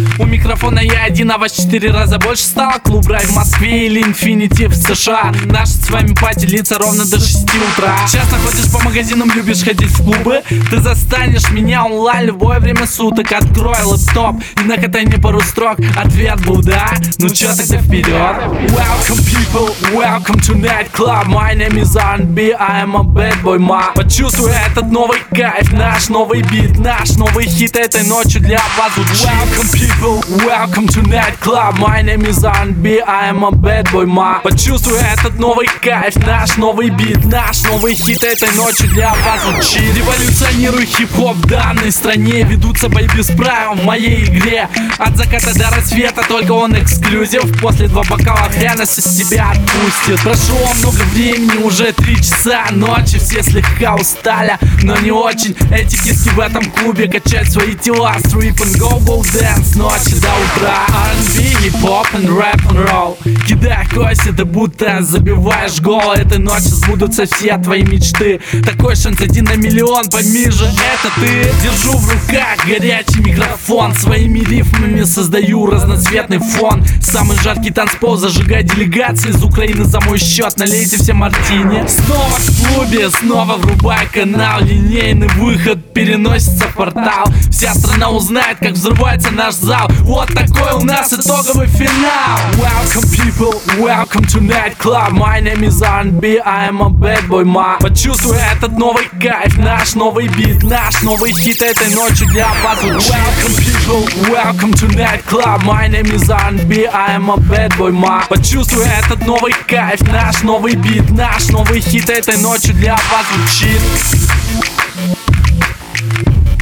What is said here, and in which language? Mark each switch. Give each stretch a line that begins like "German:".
Russian: У микрофона я один, а вас 4 раза больше стал. Клуб Рай в Москве или Infinity в США. Наша с вами пати длится ровно до 6 утра. Часто ходишь по магазинам, любишь ходить в клубы. Ты застанешь меня онлайн любое время суток. Открой лэптоп и на катане пару строк. Ответ был да, ну чё тогда вперед.
English: Welcome people, welcome to Night Club. My name is R&B, I am a bad boy, ma.
Russian: Почувствуй этот новый кайф, наш новый бит, наш новый хит этой ночью для вас звучит.
English: Welcome people, welcome to Night Club. My name is R&B, I am a bad boy, ma.
Russian: Почувствуй этот новый кайф, наш новый бит, наш новый хит этой ночью для вас звучит. Революционирую хип-хоп в данной стране. Ведутся бои без правил в моей игре. От заката до рассвета, только он эксклюзив. После два бокала пряности с себя отпустит. Прошло много времени, уже 3 часа ночи. Все слегка устали, но не очень. Эти киски в этом клубе качают свои тела.
English: Strip and go, go dance,
Russian: ночи до утра.
English: R&B, hip-hop and rap and roll.
Russian: Кидай кости, ты будто забиваешь гол. Этой ночью сбудутся все твои мечты. Такой шанс один на миллион, пойми же, это ты. Держу в руках горячий микрофон. Своими рифмами создаю разноцветный фон. Самый жаркий танцпол зажигает делегации. Из Украины за мой счет, налейте все мартини. Снова в клубе, снова врубай канал. Линейный выход переносится в портал. Вся страна узнает, как взрывается наш зал. Вот такой у нас итоговый финал.
English: Welcome people, welcome to Night Club. My name is R&B, I am a bad boy, ma.
Russian: Почувствуй этот новый кайф, наш новый бит, наш новый хит этой ночью для вас звучит.
English: Welcome people, welcome to Night Club. My name is R&B, I am a bad boy, ma.
Russian: Почувствуй этот новый кайф, наш новый бит, наш новый хит этой ночью для вас звучит.
English: We'll be right back.